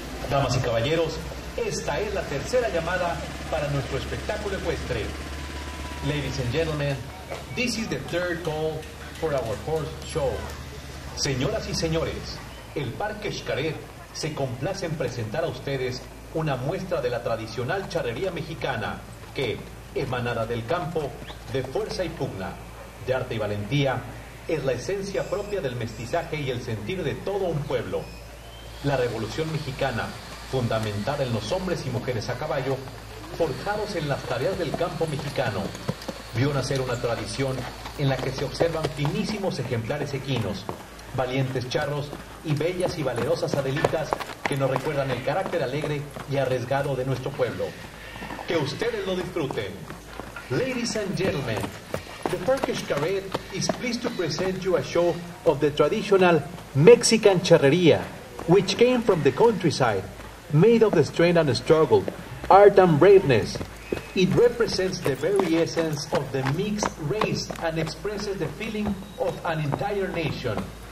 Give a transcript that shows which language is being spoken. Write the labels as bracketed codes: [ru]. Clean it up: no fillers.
[es] Damas y caballeros, esta es la tercera llamada para nuestro espectáculo ecuestre. [en] Ladies and gentlemen, this is the third call for our horse show. [es] Señoras y señores, el Parque Xcaret se complace en presentar a ustedes una muestra de la tradicional charrería mexicana que, emanada del campo, de fuerza y pugna, de arte y valentía, es la esencia propia del mestizaje y el sentir de todo un pueblo. La Revolución Mexicana, fundamentada en los hombres y mujeres a caballo, forjados en las tareas del campo mexicano, vio nacer una tradición en la que se observan finísimos ejemplares equinos, valientes charros y bellas y valerosas adelitas que nos recuerdan el carácter alegre y arriesgado de nuestro pueblo. ¡Que ustedes lo disfruten! [en] Ladies and gentlemen, the Parque Xcaret is pleased to present you a show of the traditional Mexican charrería, which came from the countryside, made of the strength and struggle, art and braveness. It represents the very essence of the mixed race and expresses the feeling of an entire nation.